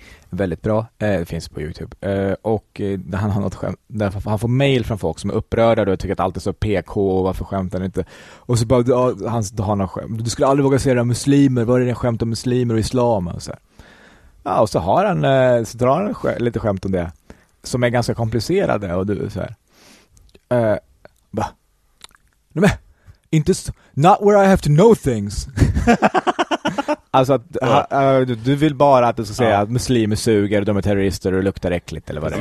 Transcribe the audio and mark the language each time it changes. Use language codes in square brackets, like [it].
[sv] Väldigt bra, det finns på YouTube. Och han har något skämt, han får mail från folk som är upprörda och tycker att allt är så PK och varför skämtar han inte. Och så bara, han har något skämt. Du skulle aldrig våga säga det, muslimer, vad är det skämt om muslimer och islam? Och så, ja, och så har han, så drar han lite skämt om det som är ganska komplicerade och du så här. Nej, inte [en] not where I have to know things. [sv] Alltså att, du vill bara att du ska säga att muslimer suger, de är terrorister och luktar äckligt eller vad det är.